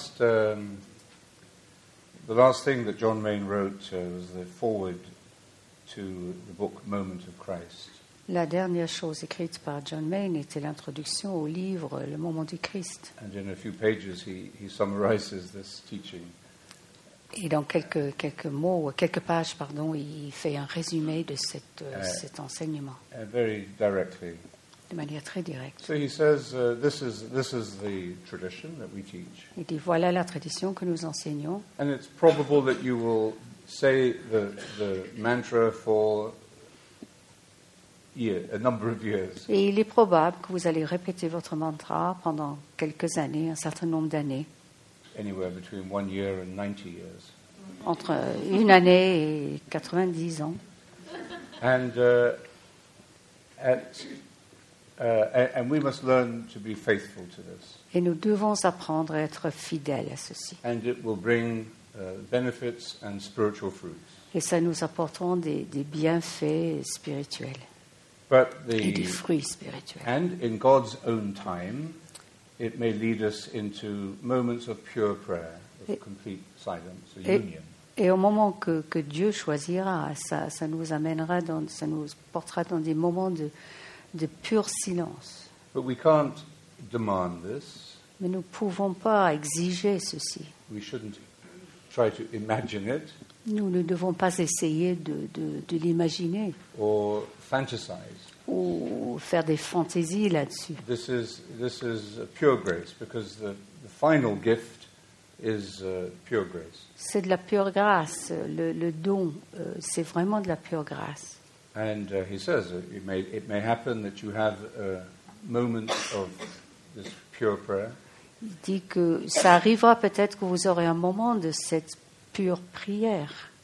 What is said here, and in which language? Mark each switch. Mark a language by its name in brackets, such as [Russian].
[English] If the last thing that John Main wrote was the foreword to the book Moment of Christ. [French] La dernière chose écrite par John Main était l'introduction au livre Le Moment du Christ. [English] And in a few pages, he summarizes this teaching. [French] Et dans quelques mots, quelques pages, pardon, il fait un résumé de cet enseignement. [English] Very directly. [French] De manière très directe. [English] So he says, this is the tradition that we teach. [French] Il dit voilà la tradition que nous enseignons. [English] And it's probable that you will say the mantra for a number of years. [French] Et il est probable que vous allez répéter votre mantra pendant quelques années, un certain nombre d'années. [English] Anywhere between 1 year and 90 years. [French] Entre une année et 90 ans. [English] And we must learn to be faithful to this. [French] Et nous devons apprendre à être fidèles à ceci. [English] And it will bring benefits and spiritual fruits. [French] Et ça nous apportera des bienfaits spirituels. [English] But the, [French] et des fruits spirituels. [English] And in God's own time. It may lead us into moments of pure prayer, of complete silence, a union. [French] Et au moment que Dieu choisira, ça nous amènera dans, ça nous portera dans des moments de pur silence. [English] But we can't demand this. [French] Mais nous pouvons pas exiger ceci. [English] We shouldn't try to imagine it. [French] Nous ne devons pas essayer de l'imaginer. [English] Or fantasize. [French] Ou faire des fantaisies là-dessus. [English] This is a pure grace because the final gift is pure grace. [French] C'est de la pure grâce, le don, c'est vraiment de la pure grâce. [English] And he says it may happen that you have a moment of this pure prayer. [French] Il dit que ça arrivera peut-être que vous aurez un moment de cette pure prière.